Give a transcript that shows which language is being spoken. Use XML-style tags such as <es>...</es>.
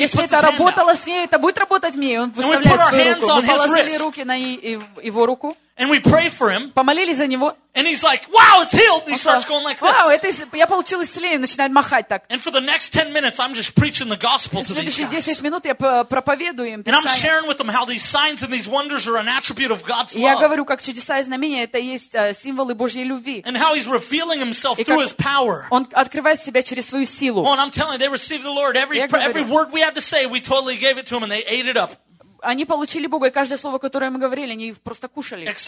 <ru>если это работало с ней, это будет работать мне. Он выставляет свою руку. Мы положили руки на его руку.</ru> <en>And we pray for him.</en> <ru>Помолились за него.</ru> <en>And he's like, wow, it's healed. And he starts going like this.</en> <ru>Вау, это я получил исцеление, начинает махать так.</ru> <en>And for the next 10 minutes, I'm just preaching the gospel to these guys.</en> <ru>Следующие 10 минут я проповедую им.</ru> <en>And I'm sharing with them how these signs and these wonders are an attribute of God's love.</en> <ru>Я говорю, как чудеса и знамения это есть символы Божьей любви.</ru> <en>And how he's revealing himself through his power.</en> <ru>Он открывает себя через свою силу.</ru> <en>Oh, and I'm telling you, they received the Lord. Every word we had to say, we totally gave it to him, and they ate it up.</en> <ru>Они получили Бога, и каждое слово, которое мы говорили, они просто кушали.</ru>